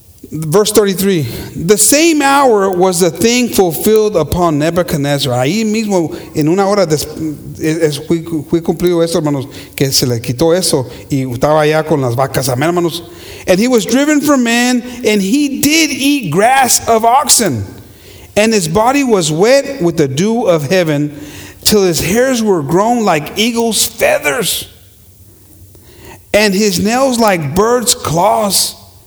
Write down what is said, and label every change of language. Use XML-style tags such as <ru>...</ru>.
<en>Verse 33, the same hour was the thing fulfilled upon Nebuchadnezzar.</en> <es>Ahí mismo, en una hora, fue cumplido eso, hermanos, que se le quitó eso, y estaba allá con las vacas, amén, hermanos.</es> <en>And he was driven from men, and he did eat grass of oxen, and his body was wet with the dew of heaven, till his hairs were grown like eagle's feathers, and his nails like bird's claws.</en>